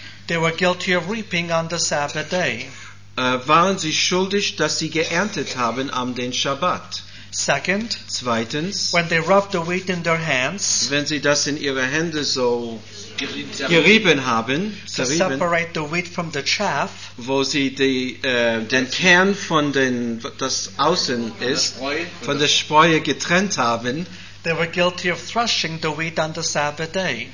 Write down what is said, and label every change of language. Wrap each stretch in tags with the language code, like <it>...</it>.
<en>they were guilty of reaping on the Sabbath day.</en> <de>Waren sie schuldig, dass sie geerntet haben am den Shabbat.</de> <en>Second,</en> <de>zweitens,</de> <en>when they roughed the wheat in their hands,</en> <de>wenn sie das in ihre Hände so gerieben haben,</de> <en>to separate the wheat from the chaff,</en> <de>wo sie die, den Kern von den, das Außen ist, von der Spreue getrennt haben,</de> <en>they were guilty of threshing the wheat on the Sabbath day.</en>